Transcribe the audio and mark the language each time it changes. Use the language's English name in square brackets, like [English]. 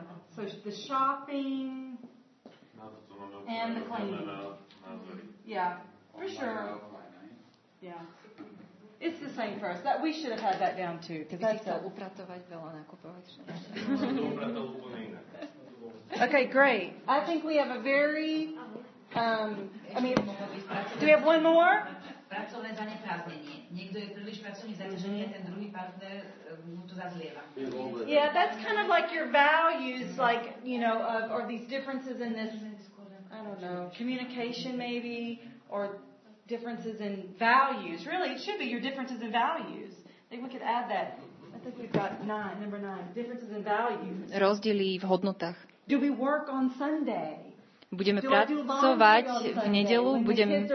[English] So the shopping and the cleaning. Yeah, for sure. Yeah. It's the same for us. That we should have had that down too. [Slovak] Keby si chcel upratovať veľa a nakupovať všetko. To upratal úplne inak. [English] Okay, great. I think we have a very... do we have one more? [Slovak] Pracovné zaneprázdnenie. Niekto je príliš pracovne zaťažený a ten druhý partner mu to zazlieva. [English] Yeah, that's kind of like your values, like, you know, of, or these differences in this, I don't know, communication maybe, or differences in values. Really, it should be your differences in values. I think we could add that. I think we've got number nine, differences in values. [Slovak] Rozdiely v hodnotách. [English] Do we work on Sunday? [Slovak] Budeme pracovať v nedeľu, budem...